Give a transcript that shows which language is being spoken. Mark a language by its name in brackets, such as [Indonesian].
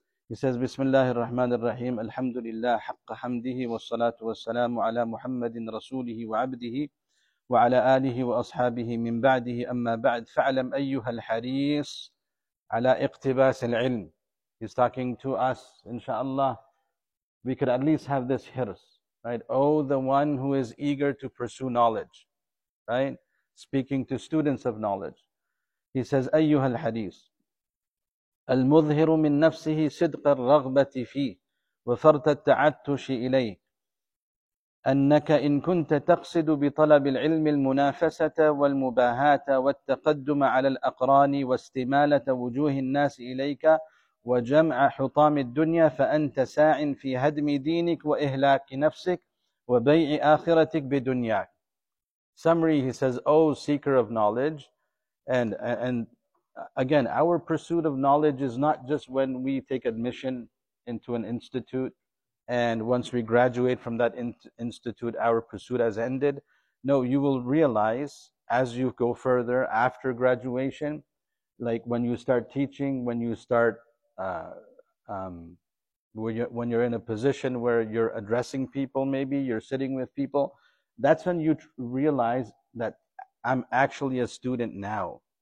[English] He says, [Arabic] Bismillahir Rahmanir Rahim, Alhamdulillah, Haqqa Hamdihi, Wa Salatu Wa Salamu Ala Muhammadin Rasulihi Wa Abdihi, وعلى آله وأصحابه من بعده أما بعد فاعلم أيها الحريص على اقتباس العلم. [English] He's talking to us, inshallah. We could at least have this hirs, right? Oh, the one who is eager to pursue knowledge, right? Speaking to students of knowledge. He says, [Arabic] أيها الحريص المظهر من نفسه صدق الرغبة فيه وفرط التعطش إليه أنك إن كنت تقصد بطلب العلم المنافسة والمباهاة والتقدم على الأقران واستمالة وجوه الناس إليك وجمع حطام الدنيا فأنت ساع في هدم دينك وإهلاك نفسك وبيع آخرتك بدنياك. [English] Summary, he says, O seeker of knowledge, and again, our pursuit of knowledge is not just when we take admission into an institute. And once we graduate from that institute, our pursuit has ended. No, you will realize as you go further after graduation, like when you start teaching, when you start, when you're in a position where you're addressing people, maybe you're sitting with people, that's when you realize that I'm actually a student now.